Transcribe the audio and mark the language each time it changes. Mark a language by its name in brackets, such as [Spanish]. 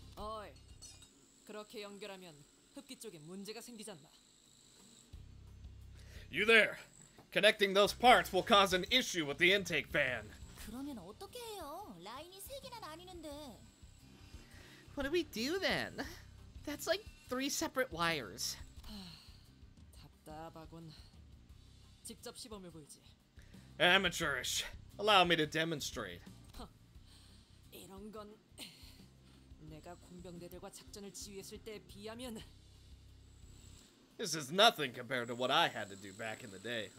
[Korean] Oi, 그렇게 연결하면 흡기 쪽에 문제가 생기지 않나? [English] You there! Connecting those parts will cause an issue with the intake fan. [Korean] 그러면 어떻게 해요? 라인이 세 개나 나뉘는데. [English] What do we do then? That's like three separate wires. [Korean] 답답하군. 직접 시범해 보이지. [English] Amateurish. Allow me to demonstrate. [Korean] 이런 건 내가 공병대들과 작전을 지휘했을 때에 비하면. [English] This is nothing compared to what I had to do back in the day.